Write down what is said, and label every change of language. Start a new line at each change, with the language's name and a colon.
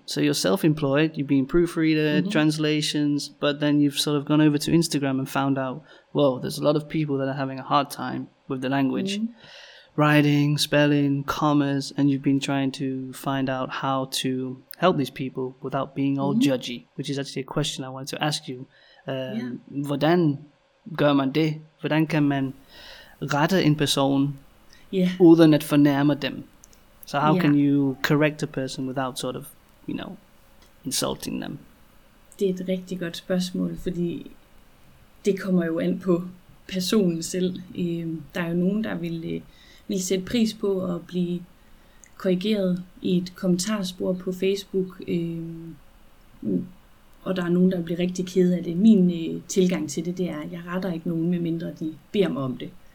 English: So you're self-employed, you've been proofreader, mm-hmm. translations, but then you've sort of gone over to Instagram and found out, whoa, there's a lot of people that are having a hard time with the language, mm-hmm. writing, spelling, commas, and you've been trying to find out how to help these people without being all mm-hmm. judgy, which is actually a question I wanted to ask you.
Danish: Hvordan gør man det? Hvordan kan man rette en person uden at fornærme dem?
English: So how can you correct a person without sort of, you know, insulting them?
Danish: Det er et rigtig godt spørgsmål, fordi det kommer jo an på personen selv. Der er jo nogen, der vil sætte pris på at blive korrigeret i et kommentarspor på Facebook. Og der er nogen, der bliver rigtig ked af det. Min tilgang til det er, at jeg retter ikke nogen, medmindre de beder mig om det.